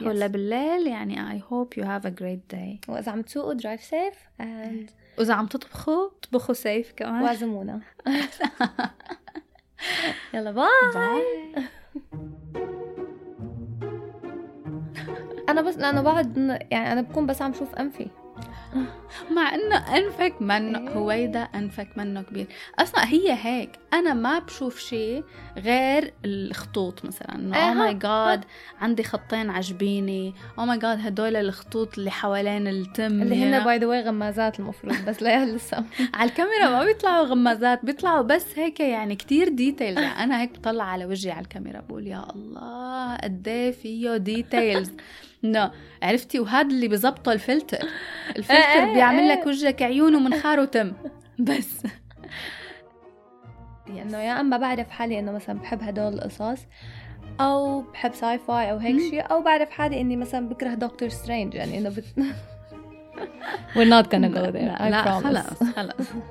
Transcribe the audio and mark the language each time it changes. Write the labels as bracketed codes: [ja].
[en] yes. [ar] ولا بالليل يعني [en] I hope you have a great day. [ar] واذا عم تسوقوا [en] drive safe and [ar] واذا عم تطبخوا طبخوا safe كمان وعزمونا. يلا باي. انا بس لانه بعد يعني انا بكون بس عم شوف انفي مع انه انفك منه هويدا انفك منه كبير اصلا. هي هيك انا ما بشوف شيء غير الخطوط مثلا انه ماي جاد عندي خطين عجبيني او ماي جاد هدول الخطوط اللي حوالين التم اللي هنا [en] by the way [ar] غمازات المفروض بس لا لسه على الكاميرا ما بيطلعوا غمازات بيطلعوا بس هيك يعني كتير ديتيلز. انا هيك بطلع على وجهي على الكاميرا بقول يا الله قد ايه فيه ديتيلز. [en] No. [ar] عرفتي وهذا اللي بيزبطه الفلتر بيعمل لك وجهك عيون ومنخار وتم بس. يعني يا أما بعرف حالي أنه مثلا بحب هدول القصص أو بحب ساي فاي أو هيك شيء أو بعرف حالي أني مثلا بكره دكتور سترينج يعني أنه [en] We're not gonna go there. I promise. [ar] خلاص